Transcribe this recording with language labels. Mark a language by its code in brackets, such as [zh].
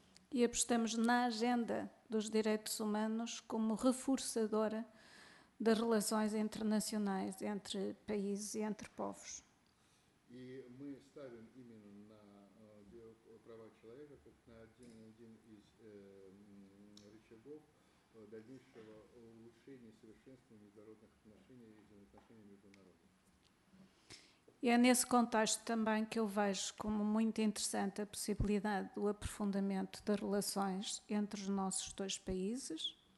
[pt] E apostamos na agenda dos direitos humanos como reforçadora das relações internacionais entre países e entre povos. E nós estamos [ru] именно на права человека как на один из рычагов дальнейшего улучшения и совершенствования международных отношений и взаимоотношений между народами. [pt] E é nesse contexto também que eu vejo como muito interessante a possibilidade do aprofundamento das relações entre os nossos dois países.